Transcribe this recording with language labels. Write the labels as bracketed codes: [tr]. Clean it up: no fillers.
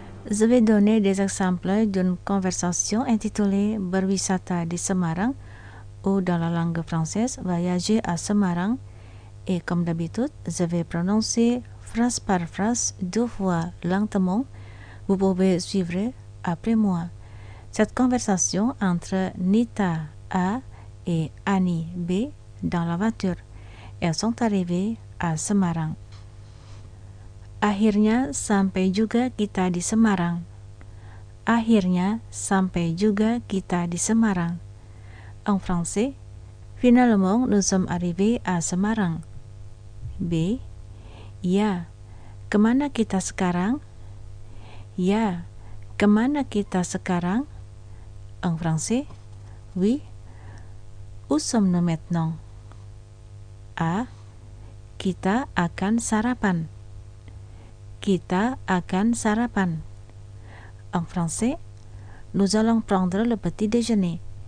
[fr] Je vais donner des exemples d'une conversation intitulée « [id] Berwisata di Semarang [fr] » ou dans la langue française « Voyager à Semarang » et comme d'habitude, je vais prononcer phrase par phrase deux fois lentement. Vous pouvez suivre après moi. Cette conversation entre Nita A et Annie B dans la voiture. Elles sont arrivées à Semarang. [id] Akhirnya sampai juga kita di Semarang. Akhirnya sampai juga kita di Semarang. [fr] En français, finalement nous sommes arrivés à Semarang. B. [id] Ya, kemana kita sekarang? Ya, kemana kita sekarang? [fr] En français, oui, où sommes-nous maintenant? A. [id] Kita akan sarapan. Kita akan sarapan. [fr] En français, nous allons prendre le petit déjeuner.